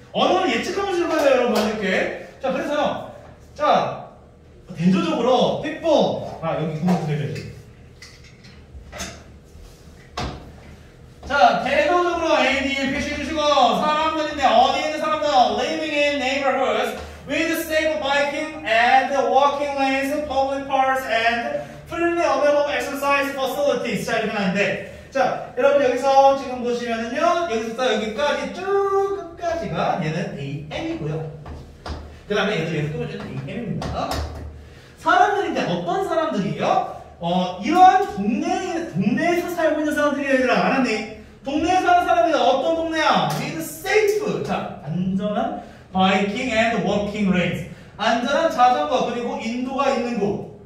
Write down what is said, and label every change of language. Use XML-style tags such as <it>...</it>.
<ko>언어는 예측하면서 읽어야 돼요, 여러분. 이렇게. 자, 그래서요. 자, 대조적으로, people. 아, 여기 공부 드려야지. 자, 대조적으로 ADL 표시해주시고, 사람들인데, 어디 있는 사람들?</ko> <en>Living in neighborhoods with safe biking and walking lanes, public parks, and freely available exercise facilities.</en> <ko>자, 이렇게 나는데. 자, 여러분, 여기서 지금 보시면은요, 여기서부터 여기까지 쭉 끝까지가 얘는 AM이고요. 그 다음에 얘들 여기서 끝까지는 AM입니다. 사람들인데, 어떤 사람들이에요? 이러한 동네에서 살고 있는 사람들이 얘들아, 알았니? 동네에 사는 사람이다. 어떤 동네야?</ko> <en>With safe.</en> <ko>자, 안전한</ko> <en>biking and walking lanes.</en> <ko>안전한 자전거, 그리고 인도가 있는 곳.</ko>